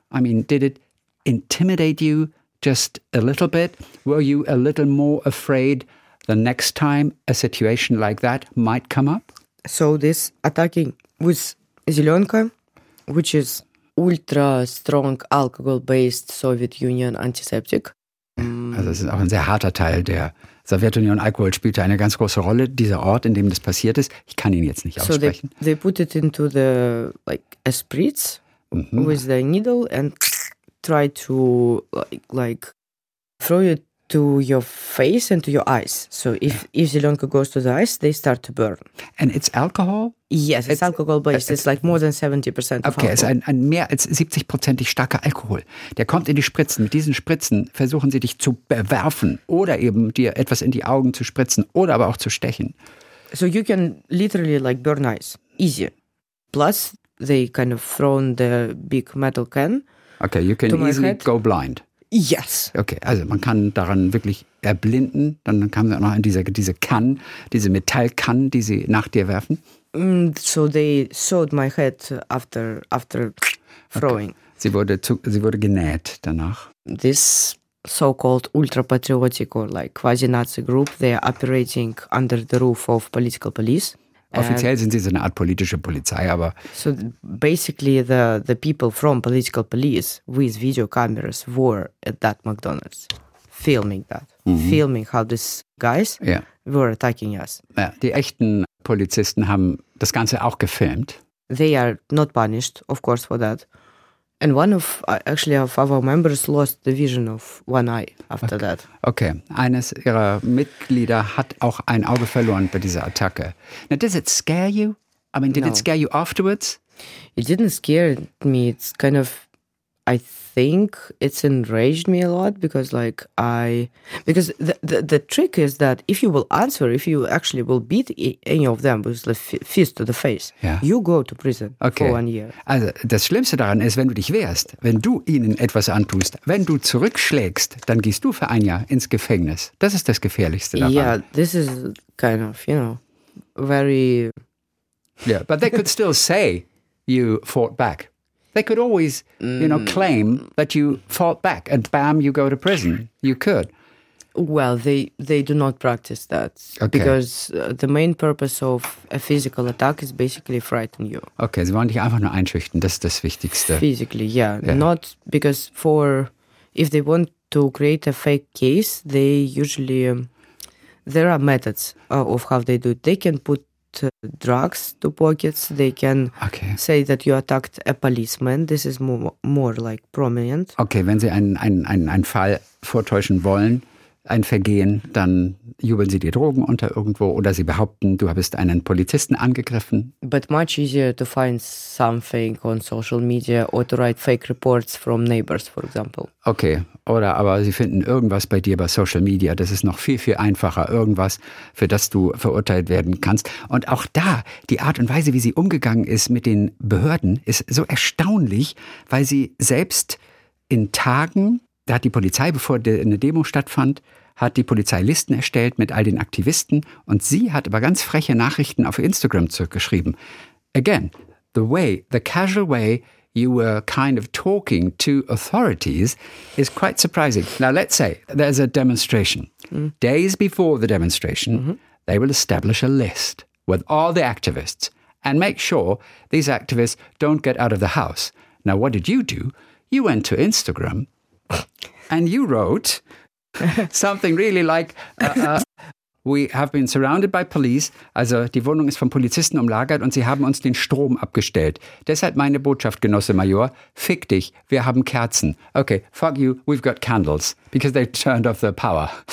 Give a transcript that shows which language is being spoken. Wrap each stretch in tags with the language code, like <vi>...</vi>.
<en>I mean, did it intimidate you just a little bit? Were you a little more afraid the next time a situation like that might come up? So this attacking with Zelenka, which is ultra strong alcohol-based Soviet Union antiseptic.</en> <de>Also es ist auch ein sehr harter Teil der Sowjetunion. Alkohol spielte eine ganz große Rolle, dieser Ort, in dem das passiert ist. Ich kann ihn jetzt nicht aussprechen.</de> <en>So they put it into the, like, a spritz. Mm-hmm. With the needle and try to like throw it to your face and to your eyes. So if Zelenka goes to the eyes, they start to burn. And it's alcohol? Yes, it's alcohol based. It's like more than 70% of alcohol. Okay,</en> <de>also ein mehr als 70%ig starker Alkohol. Der kommt in die Spritzen. Mit diesen Spritzen versuchen sie dich zu bewerfen oder eben dir etwas in die Augen zu spritzen oder aber auch zu stechen.</de> <en>So you can literally like burn eyes. Easy. Plus they kind of thrown the big metal can. Okay, you can easily go blind. Yes.</en> <de>Okay, also man kann daran wirklich erblinden. Dann kam sie auch noch in diese Can, diese Metallcan, die sie nach dir werfen.</de> <en>So they sewed my head after throwing. Okay.</en> <de>Sie wurde genäht danach.</de> <en>This so-called ultra-patriotic or like quasi-Nazi group, they are operating under the roof of political police.</en> <de>Offiziell sind sie so eine Art politische Polizei, aber...</de> <en>So basically the people from political police with video cameras were at that McDonald's, filming that. Mm-hmm. Filming how these guys were attacking us.</en> <de>Ja, die echten Polizisten haben das Ganze auch gefilmt.</de> <en>They are not punished, of course, for that. And one of, actually, of our members lost the vision of one eye after that.</en> <de>Okay, eines ihrer Mitglieder hat auch ein Auge verloren bei dieser Attacke.</de> <en>Now, does it scare you? I mean, did it scare you afterwards? It didn't scare me. It's kind of I think it's enraged me a lot because, like, because the trick is that if you will answer, if you actually will beat any of them with the fist to the face, yeah, you go to prison okay for 1 year.</en> <de>Also, das Schlimmste daran ist, wenn du dich wehrst, wenn du ihnen etwas antust, wenn du zurückschlägst, dann gehst du für ein Jahr ins Gefängnis. Das ist das Gefährlichste daran.</de> <en>Yeah, this is kind of, you know, very... Yeah, but they could still say you fought back. They could always, you know, claim that you fought back and bam, you go to prison. You could. Well, they do not practice that. Okay. Because the main purpose of a physical attack is basically frighten you.</en> <de>Okay, sie wollen dich einfach nur einschüchtern. Das ist das Wichtigste.</de> <en>Physically, yeah. Not because for, if they want to create a fake case, they usually, there are methods of how they do it. They can put drugs to pockets. They can say that you attacked a policeman. This is more like prominent.</en> <de>Okay, wenn sie einen Fall vortäuschen wollen, ein Vergehen, dann jubeln sie dir Drogen unter irgendwo oder sie behaupten, du hast einen Polizisten angegriffen.</de> <en>But much easier to find something on social media or to write fake reports from neighbors, for example.</en> <de>Okay, oder aber sie finden irgendwas bei dir bei Social Media. Das ist noch viel, viel einfacher. Irgendwas, für das du verurteilt werden kannst. Und auch da, die Art und Weise, wie sie umgegangen ist mit den Behörden, ist so erstaunlich, weil sie selbst in Tagen... Da hat die Polizei, bevor eine Demo stattfand, hat die Polizei Listen erstellt mit all den Aktivisten und sie hat aber ganz freche Nachrichten auf Instagram zurückgeschrieben.</de> <en>Again, the casual way you were kind of talking to authorities is quite surprising. Now let's say there's a demonstration. Days before the demonstration, they will establish a list with all the activists and make sure these activists don't get out of the house. Now what did you do? You went to Instagram and you wrote something really like, we have been surrounded by police.</en> <de>Also, die Wohnung ist von Polizisten umlagert und sie haben uns den Strom abgestellt. Deshalb meine Botschaft, Genosse Major, fick dich, wir haben Kerzen.</de> <en>Okay, fuck you, we've got candles, because they turned off the power.</en>